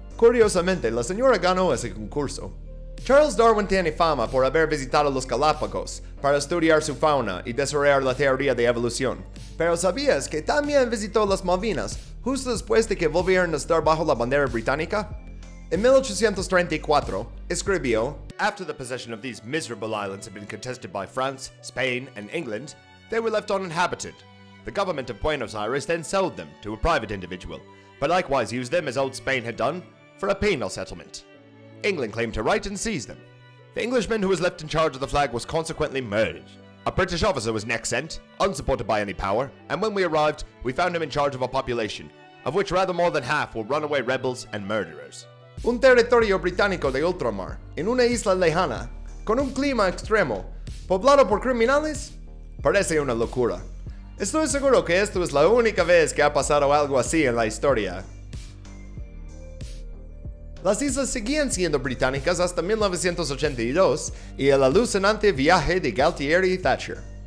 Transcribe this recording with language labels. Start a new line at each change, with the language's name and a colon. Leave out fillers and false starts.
Spanish: Curiosamente, la señora ganó ese concurso. Charles Darwin tiene fama por haber visitado los Galápagos para estudiar su fauna y desarrollar la teoría de evolución, pero ¿sabías que también visitó las Malvinas justo después de que volvieran a estar bajo la bandera británica? En 1834, escribió,
English: "After the possession of these miserable islands had been contested by France, Spain, and England, they were left uninhabited. The government of Buenos Aires then sold them to a private individual, but likewise used them, as old Spain had done, for a penal settlement. England claimed to right and seize them. The Englishman who was left in charge of the flag was consequently murdered. A British officer was next sent, unsupported by any power, and when we arrived, we found him in charge of a population, of which rather more than half were runaway rebels and murderers.
Spanish: un territorio británico de ultramar, en una isla lejana, con un clima extremo, poblado por criminales, parece una locura. Estoy seguro que esto es la única vez que ha pasado algo así en la historia. Las islas seguían siendo británicas hasta 1982 y el alucinante viaje de Galtier y Thatcher.